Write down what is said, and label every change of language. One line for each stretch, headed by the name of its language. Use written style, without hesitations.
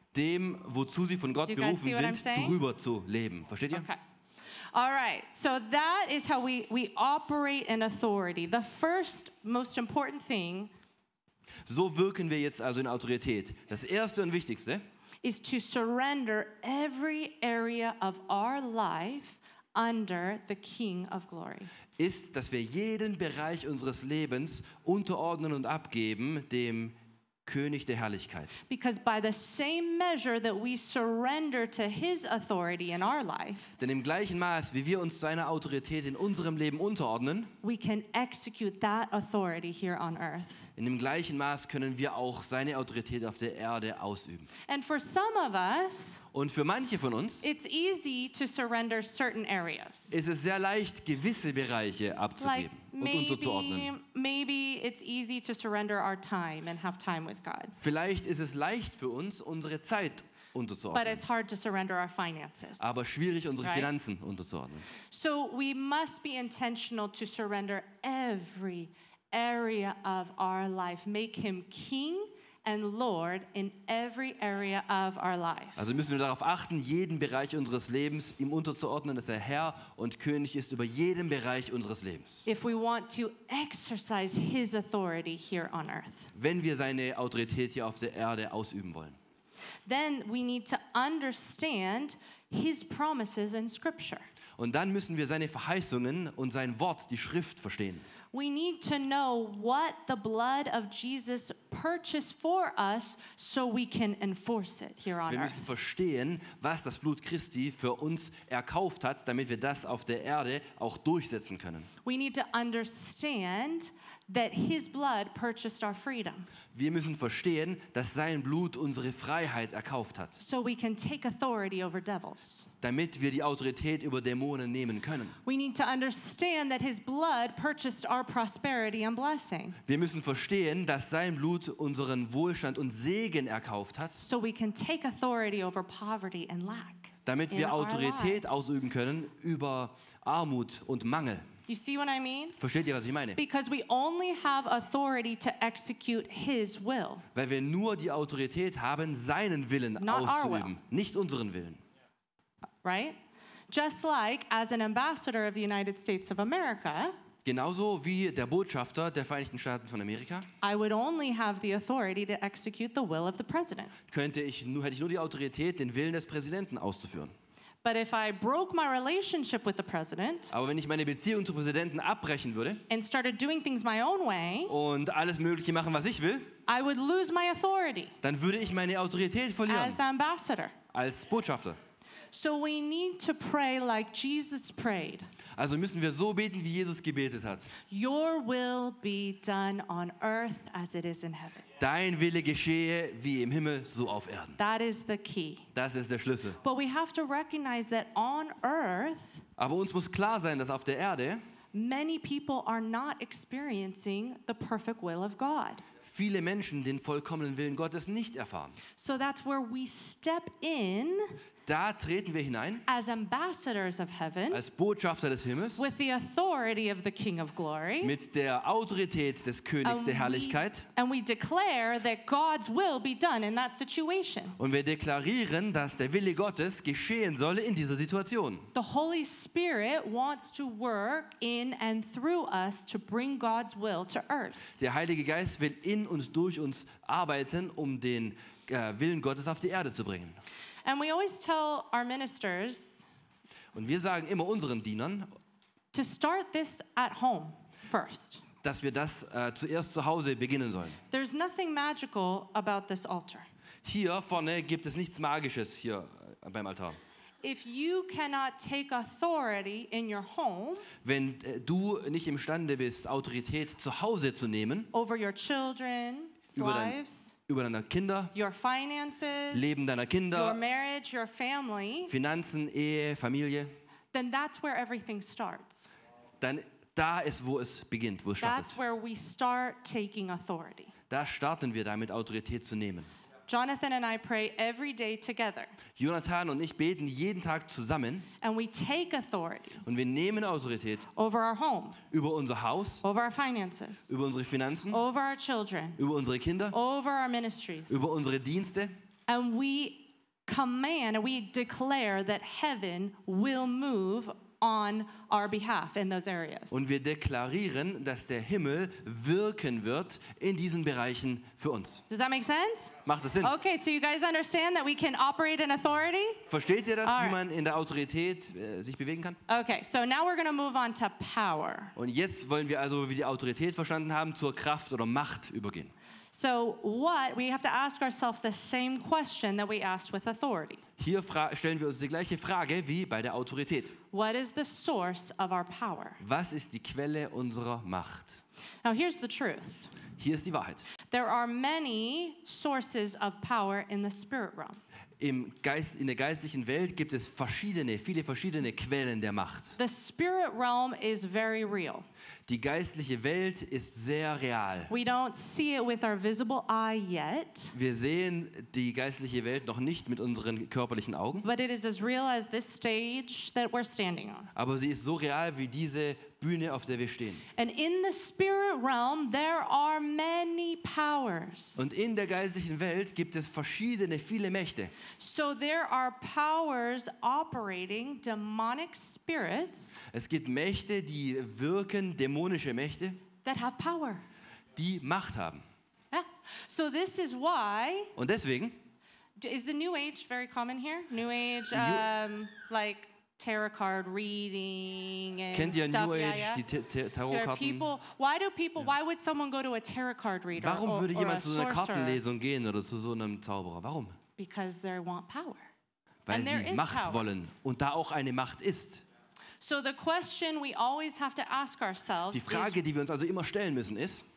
German: Dem, wozu sie von Gott berufen sind, drüber zu leben. Versteht ihr? Okay.
English: All right, so that is how we operate in authority. The first most important thing.
German: So wirken wir jetzt also in Autorität. Das erste und wichtigste
English: is to surrender every area of our life under the King of Glory.
German: Ist, dass wir jeden Bereich unseres Lebens unterordnen und abgeben dem König der Herrlichkeit.
English: Because by the same measure that we surrender to his authority in our life,
German: denn im gleichen Maß, wie wir uns seiner Autorität in unserem Leben unterordnen,
English: we can execute that authority here on earth.
German: In dem gleichen Maß können wir auch seine Autorität auf der Erde ausüben.
English: And for some of us,
German: und für manche von uns,
English: it's easy to surrender certain areas.
German: Ist es sehr leicht, gewisse Bereiche abzugeben.
English: Maybe it's easy to surrender our time and have time with God.
German: Vielleicht ist es leicht für uns, unsere Zeit unterzuordnen.
English: But it's hard to surrender our finances.
German: Aber schwierig, unsere Finanzen unterzuordnen.
English: So we must be intentional to surrender every area of our life. Make him king and Lord in every area of our life.
German: Also müssen wir darauf achten, jeden Bereich unseres Lebens ihm unterzuordnen, dass er Herr und König ist über jeden Bereich unseres Lebens.
English: If we want to exercise his authority here on earth.
German: Wenn wir seine Autorität hier auf der Erde ausüben wollen.
English: Then we need to understand his promises in scripture.
German: Und dann müssen wir seine Verheißungen und sein Wort, die Schrift, verstehen.
English: We need to know what the blood of Jesus purchased for us so we can enforce it here on earth.
German: Wir müssen verstehen, was das Blut Christi für uns erkauft hat, damit wir das auf der Erde auch durchsetzen können.
English: We need to understand that his blood purchased our freedom.
German: Wir müssen verstehen, dass sein Blut unsere Freiheit erkauft hat.
English: So we can take authority over devils.
German: Damit wir die Autorität über Dämonen nehmen können.
English: We need to understand that his blood purchased our prosperity and blessing.
German: Wir müssen verstehen, dass sein Blut unseren Wohlstand und Segen erkauft hat.
English: So we can take authority over poverty and lack.
German: Damit wir Autorität ausüben können über Armut und Mangel.
English: You see what I mean?
German: Versteht ihr, was ich meine?
English: Because we only have authority to execute his will.
German: Weil wir nur die Autorität haben, seinen Willen auszuüben, nicht unseren Willen.
English: Right? Just like as an ambassador of the United States of America.
German: Genauso wie der Botschafter der Vereinigten Staaten von Amerika.
English: I would only have the authority to execute the will of the president.
German: Hätte ich nur die Autorität, den Willen des Präsidenten auszuführen.
English: But if I broke my relationship with the president,
German: aber wenn ich meine Beziehung zum Präsidenten abbrechen würde,
English: and started doing things my own way,
German: und alles Mögliche machen, was ich will,
English: I would lose my authority.
German: Dann würde ich meine Autorität verlieren.
English: As ambassador.
German: Als Botschafter.
English: So we need to pray like Jesus prayed.
German: Also müssen wir so beten, wie Jesus gebetet hat.
English: Your will be done on earth as it is in heaven.
German: Dein Wille geschehe wie im Himmel, so auf Erden.
English: That is the key.
German: Das ist der Schlüssel.
English: But we have to recognize that on earth.
German: Aber uns muss klar sein, dass auf der Erde
English: Many people are not experiencing the perfect will of God.
German: Viele Menschen den vollkommenen Willen Gottes nicht erfahren.
English: So that's where we step in.
German: Da treten wir hinein.
English: As ambassadors of heaven.
German: Als Botschafter des Himmels.
English: With the authority of the King of Glory.
German: Mit der Autorität des Königs der Herrlichkeit.
English: And we declare that God's will be done in that situation.
German: Und wir deklarieren, dass der Wille Gottes geschehen solle in dieser Situation.
English: The Holy Spirit wants to work in and through us to bring God's will to earth.
German: Der Heilige Geist will in und durch uns arbeiten, um den Willen Gottes auf die Erde zu bringen.
English: And we always tell our ministers,
German: und wir sagen immer unseren Dienern,
English: to start this at home first.
German: Dass wir das zuerst zu Hause beginnen sollen.
English: There's nothing magical about this altar.
German: Hier vorne gibt es nichts Magisches hier beim Altar.
English: If you cannot take authority in your home,
German: wenn du nicht imstande bist, Autorität zu Hause zu nehmen,
English: over your children's lives,
German: über deine Kinder,
English: your finances,
German: Leben deiner Kinder,
English: your marriage, your family,
German: Finanzen, Ehe, Familie,
English: then that's where everything starts.
German: Dann da ist, wo es beginnt, wo es startet.
English: That's where we start taking authority.
German: Da starten wir damit, Autorität zu nehmen.
English: Jonathan and I pray every day together.
German: Jonathan und ich beten jeden Tag zusammen.
English: And we take authority.
German: Und wir nehmen Autorität.
English: Over our home.
German: Über unser Haus.
English: Over our finances.
German: Über unsere Finanzen.
English: Over our children.
German: Über unsere Kinder.
English: Over our ministries.
German: Über unsere Dienste.
English: And we command and we declare that heaven will move on our behalf in those areas.
German: Und wir deklarieren, dass der Himmel wirken wird in diesen Bereichen für uns.
English: Does that make sense?
German: Macht das Sinn?
English: Okay, so you guys understand that we can operate in authority?
German: Versteht ihr das, right, wie man in der Autorität sich bewegen kann?
English: Okay, so now we're going to move on to power.
German: Und jetzt wollen wir also, wie die Autorität verstanden haben, zur Kraft oder Macht übergehen.
English: So what, we have to ask ourselves the same question that we asked with authority.
German: Hier stellen wir uns die gleiche Frage wie bei der Autorität.
English: What is the source of our power?
German: Was ist die Quelle unserer Macht?
English: Now here's the truth.
German: Hier ist die Wahrheit.
English: There are many sources of power in the spirit realm.
German: In der geistlichen Welt gibt es viele verschiedene Quellen der Macht.
English: The spirit realm is very real.
German: Die geistliche Welt ist sehr real.
English: We don't see it with our visible eye yet.
German: Wir sehen die geistliche Welt noch nicht mit unseren körperlichen Augen.
English: But it is as real as this stage that we're standing on.
German: Aber sie ist so real wie diese Bühne, auf der wir stehen.
English: And in the spirit realm there are many powers.
German: Und in der geistlichen Welt gibt es verschiedene, viele Mächte.
English: So there are powers operating demonic spirits.
German: Es gibt Mächte, die wirken, dämonische Mächte,
English: that have power.
German: Die Macht haben.
English: Yeah. So this is why.
German: Und deswegen.
English: Is the New Age very common here? New Age, like tarot card reading and
German: kennt ihr
English: stuff? New Age, yeah, yeah. Tarotkarten. People, why do people? Yeah. Why would someone go to a tarot card reader?
German: Warum würde jemand zu einer Kartenlesung gehen oder zu so einem Zauberer? Warum?
English: Because they want power.
German: Weil and sie
English: there is
German: Macht power. Wollen und da auch eine Macht ist.
English: So the question we always have to ask ourselves,
German: die Frage, die wir uns also immer stellen müssen, ist,